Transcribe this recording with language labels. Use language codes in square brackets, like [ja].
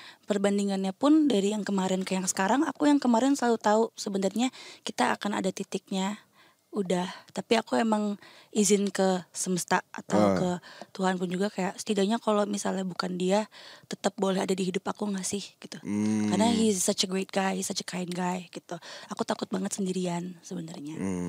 [id] Perbandingannya pun dari yang kemarin ke yang sekarang, aku yang kemarin selalu tahu sebenarnya kita akan ada titiknya. Udah, tapi aku emang izin ke semesta atau ke Tuhan pun juga kayak setidaknya kalau misalnya bukan dia tetap boleh ada di hidup aku gak sih gitu. [en] Karena he's such a great guy, he's such a kind guy gitu. [id] Aku takut banget sendirian sebenarnya.